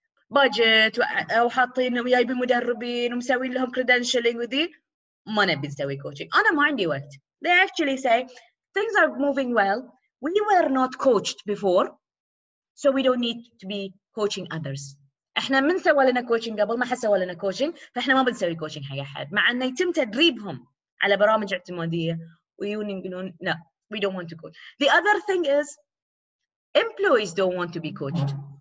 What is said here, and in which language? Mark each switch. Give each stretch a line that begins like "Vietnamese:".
Arabic: Budget, أو حاطين ويايبين مدربين ومسوين لهم credentialing وذي, ما نبي نسوي coaching. أنا ما عندي وقت.
English: They actually say, things are moving well. We were not coached before, so we don't need to be coaching others.
Arabic: احنا من سوى لنا coaching قبل ما حسوى لنا coaching, فاحنا ما بنسوي coaching حق أحد. مع أن يتم تدريبهم على برامج اعتمادية ويقولون,
English: no, we don't want to coach. The other thing is, employees don't want to be coached.